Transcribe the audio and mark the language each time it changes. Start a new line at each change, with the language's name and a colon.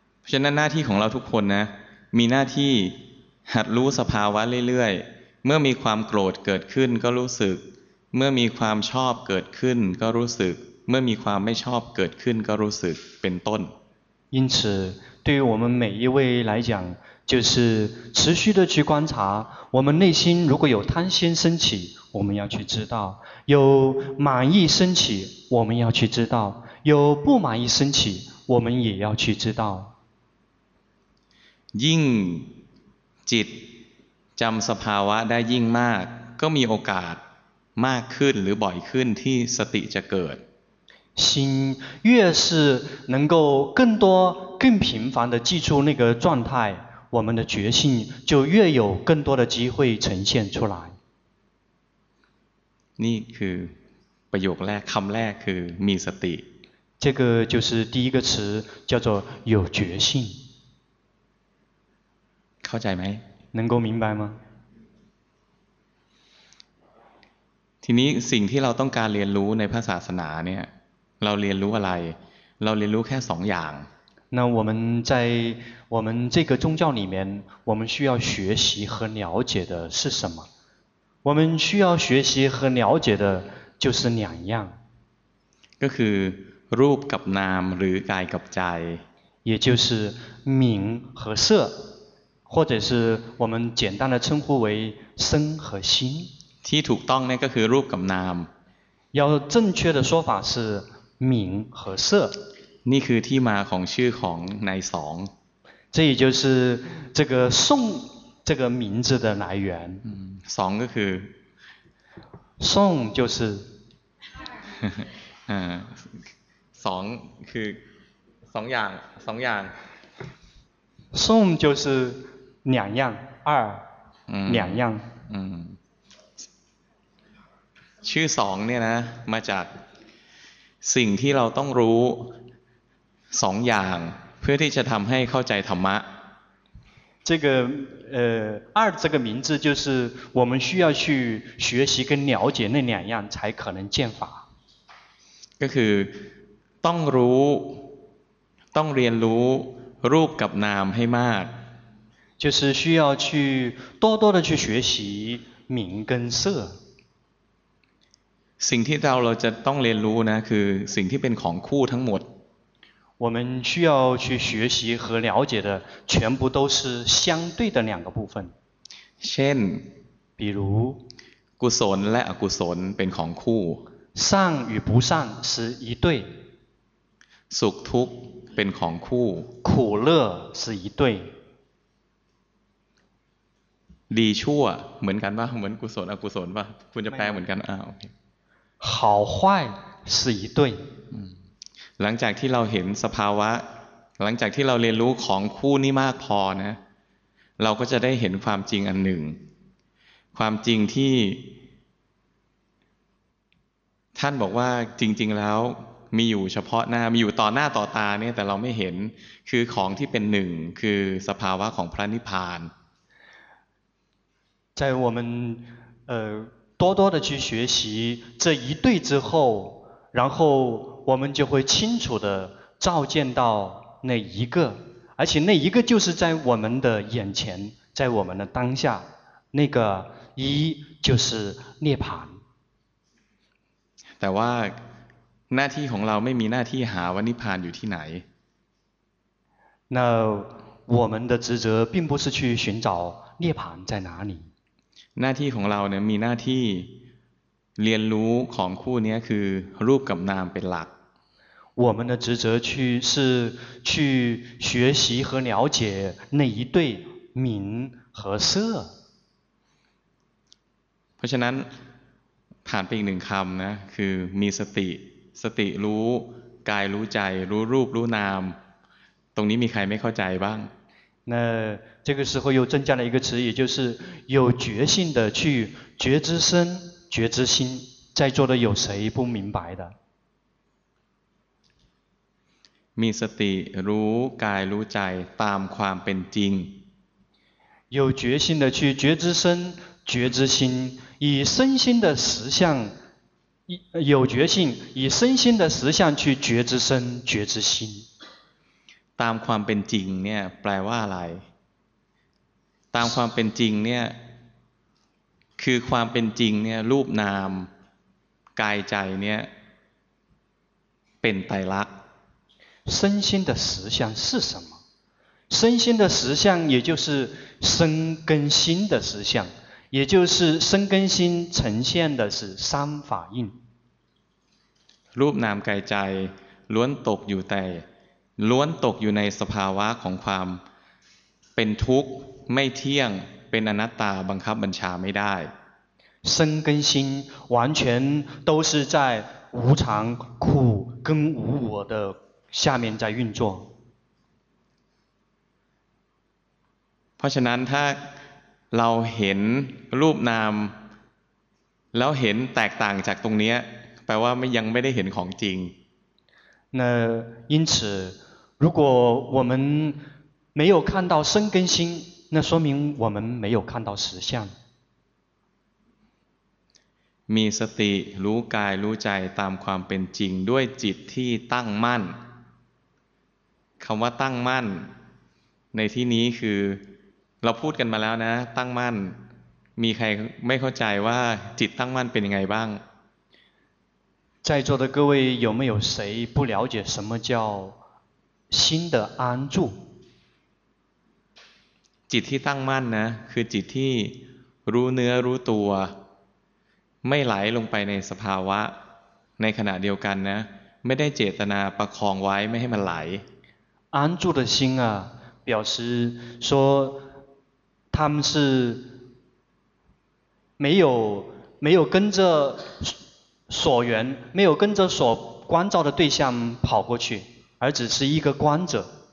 Thai: ฉะนั้นหน้าที่ของเราทุกคนนะมีหน้าที่หัดรู้สภาวะเรื่อยๆเมื่อมีความโกรธเกิดขึ้นก็รู้สึกเมื่อมีความชอบเกิดขึ้นก็รู้สึกเมื่อมีความไม่ชอบเกิดขึ้นก็รู้สึกเป็นต้น
Chinese: 因此对于我们每一位来讲就是持续的去观察我们内心如果有贪心升起我们要去知道有满意升起我们要去知道有不满意升起我们也要去知道
Thai: ยิ่งจิตจำสภาวะได้ยิ่งมากก็มีโอกาสมากขึ้นหรือบ่อยขึ้นที่สติจะเกิด
Chinese: 心越是能够更多更频繁地记住那个状态我们的觉性就越有更多的机会呈现出来
Thai: นี่คือประโยคแรกคำแรกคือมีสติ
Chinese: 这个就是第一个词叫做有觉性
Thai: เข้าใจไหม
Chinese: 能够明白吗
Thai: ทีนี้สิ่งที่เราต้องการเรียนรู้ในพระศาสนาเนี่ยเราเรียนรู้อะไรเราเรียนรู้แค่สองอย่าง
Chinese: 那我们在我们这个宗教里面我们需要学习和了解的是什么我们需要学习和了解的就是两样
Thai: ก็คือรูปกับนามหรือกายกับใจ
Chinese: 也就是名和色或者是我们简单的称呼为身和心
Thai: ที่ถูกต้องนี่ก็คือรูปกับนาม
Chinese: 要正确的说法是名和色
Thai: นี่คือที่มาของชื่อของนายสอง
Chinese: 这也就是这个宋这个名字的来源
Thai: สองก็คือ
Chinese: 宋就是
Thai: สองคือสองอย่างสองอย่าง
Chinese: 宋就是两样二两样
Thai: ชื่อสองเนี่ยนะมาจากสิ่งที่เราต้องรู้สองอย่างเพื่อที่จะทำให้เข้าใจธรรมะ
Chinese: 这个二这个名字就是我们需要去学习跟了解那两样才可能见法
Thai: ก็คือต้องรู้ต้องเรียนรู้รูปกับนามให้มาก
Chinese: 就是需要去多多的去学习名跟色
Thai: สิ่งที่เราจะต้องเรียนรู้นะคือสิ่งที่เป็นของคู่ทั้งหมด
Chinese: 我们需要去学习和了解的全部都是相对的两个部分
Thai: เช่น
Chinese: 比如
Thai: กุศลและอกุศลเป็นของคู่
Chinese: 善与不善是一对
Thai: สุขทุกข์เป็นของคู่
Chinese: 苦乐是一对
Thai: ดีชั่วเหมือนกันป่ะเหมือนกุศลอกุศลป่ะคุณจะแปลเหมือนกันอ้าว
Chinese: 好坏是一对
Thai: หลังจากที่เราเห็นสภาวะหลังจากที่เราเรียนรู้ของคู่นี้มากพอนะเราก็จะได้เห็นความจริงอันหนึ่งความจริงที่ท่านบอกว่าจริงๆแล้วมีอยู่เฉพาะหน้ามีอยู่ต่อหน้าต่อตาเนี่ยแต่เราไม่เห็นคือของที่เป็นหนึ่งคือสภาวะของพระนิพพาน
Chinese: 在我们多多的去学习这一对之后然后我们就会清楚的照见到那一个而且那一个就是在我们的眼前在我们的当下那个一就是涅槃
Thai: แต่ว่าหน้าที่ของเราไม่มีหน้าที่หาว่านิพพานอยู่ที่ไหน
Chinese: 那我们的职责并不是去寻找涅槃在哪里
Thai: หน้าที่ของเราเนี่ยมีหน้าที่เรียนรู้ของคู่นี้คือรูปกับนามเป็นหลัก
Chinese: 我们的职责去是去学习和了解那一对名和色
Thai: เพราะฉะนั้นผ่านไปอีกหนึ่งคำนะคือมีสติสติรู้กายรู้ใจรู้รูปรู้นามตรงนี้มีใครไม่เข้าใจบ้าง
Chinese: 那这个时候又增加了一个词，也就是有觉性的去觉知身、觉知心，在座的有谁不明白的？
Thai: มีสติรู้กายรู้ใจตามความเป็นจริง
Chinese: 有觉性的去觉知身、觉知心，以身心的实相，有觉性以身心的实相去觉知身、觉知心。
Thai: ตามความเป็นจริงเนี่ยแปลว่าอะไรตามความเป็นจริงเนี่ยคือความเป็นจริงเนี่ยรูปนามกายใจเนี่ยเป็นไตรลักษณ์
Chinese: 身心的实相是什么身心的实相也就是身跟心的实相也就是身跟心呈现的是三法印
Thai: รูปนามกายใจล้วนตกอยู่แต่ล้วนตกอยู่ในสภาวะของความเป็นทุกข์ไม่เที่ยงเป็นอนัตตาบังคับบัญชาไม่ได้
Chinese: 身跟心完全都是在无常苦跟无我的下面在运作
Thai: เพราะฉะนั้นถ้าเราเห็นรูปนามแล้วเห็นแตกต่างจากตรงนี้แปลว่ายังไม่ได้เห็นของจริง
Chinese: 那因此如果我们没有看到生根心那说明我们没有看到实相
Thai: มีสติรู้กายรู้ใจตามความเป็นจริงด้วยจิตที่ตั้งมั่นคำว่าตั้งมั่นในที่นี้คือเราพูดกันมาแล้วนะตั้งมั่นมีใครไม่เข้าใจว่าจิตตั้งมั่นเป็นยังไงบ้าง
Chinese: 在座的各位有没有谁不了解什么叫心的安住
Thai: จิตที่ตั้งมั่นนะคือจิตที่รู้เนื้อรู้ตัวไม่ไหลลงไปในสภาวะในขณะเดียวกันนะไม่ได้เจตนาประคองไว้ไม่ให้มันไหล
Chinese: 安住的心啊表示说他们是没有跟着所缘没有跟着所关照的对象跑过去而只是一个观者